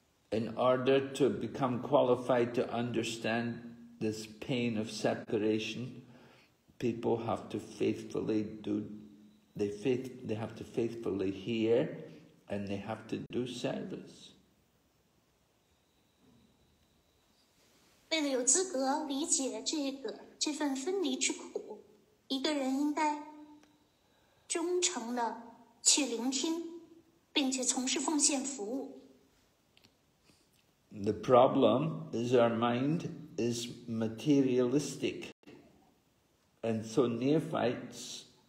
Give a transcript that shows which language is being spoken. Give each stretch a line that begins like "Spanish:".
English: In order to become qualified to understand this pain of separation, people have to faithfully do. They have to faithfully hear, and they have to do service.
Chinese: 为了有资格理解这份分离之苦，一个人应该忠诚的去聆听，并且从事奉献服务。
English: The problem is our mind is materialistic, and so neophytes.